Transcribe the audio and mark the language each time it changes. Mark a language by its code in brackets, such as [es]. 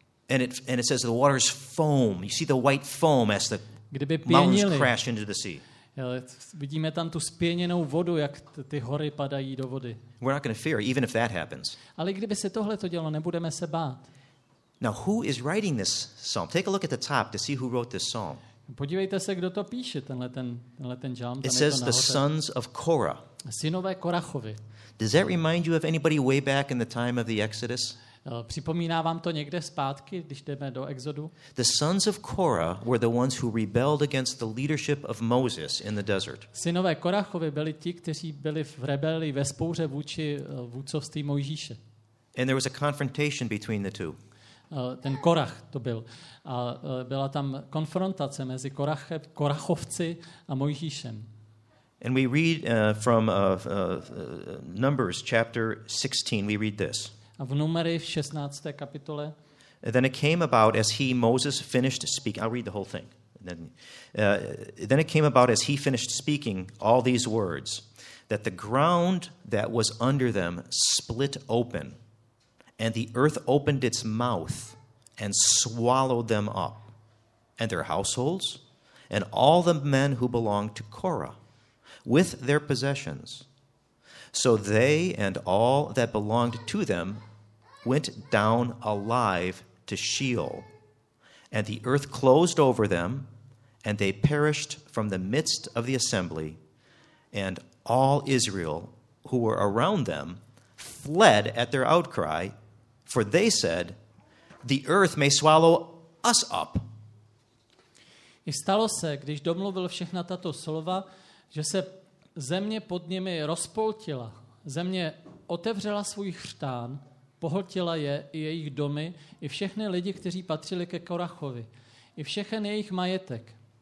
[en] And it says the waters foam. You see the white foam as the [cs] kdyby [en] mountains crash into the sea. [cs] Vidíme tam tu spěněnou vodu, jak ty hory padají do vody. [en] We're not going to fear, even if that happens. [cs] Ale kdyby se tohle to dělo, nebudeme se bát. [en] Now, who is writing this psalm? Take a look at the top to see who wrote this psalm. [cs] Podívejte se, kdo to píše, tenhle ten žalm. [en] It says the sons of Korah. [cs] Synové Korachovi. [en] Does that remind you of anybody way back in the time of the Exodus? [cs] Připomíná vám to někde zpátky, když jdeme do Exodu? [en] The sons of Korah were the ones who rebelled against the leadership of Moses in the desert. [cs] Synové Korachovi byli ti, kteří byli v rebeli ve spouře vůči vůdcovství Mojžíše. [en] And there was a confrontation between the two. [cs] Ten Korach to byl. A byla tam konfrontace mezi Korachovci a Mojžíšem. [en] And we read from Numbers chapter 16, we read this. [cs] A v Numeri v 16. kapitole. [en] Then it came about as he, Moses, finished speaking. I'll read the whole thing. Then it came about as he finished speaking all these words that the ground that was under them split open, and the earth opened its mouth and swallowed them up, and their households, and all the men who belonged to Korah, with their possessions. So they and all that belonged to them went down alive to Sheol, and the earth closed over them, and they perished from the midst of the assembly, and all Israel who were around them fled at their outcry, for they said, "The earth may swallow us up." [cs] I stalo se, když domluvil všechna tato slova, že se země pod nimi rozpoltila. Země otevřela svůj chřtán, pohltila je i jejich domy, i všechny lidi, kteří patřili ke Korachovi, i všechen jejich majetek.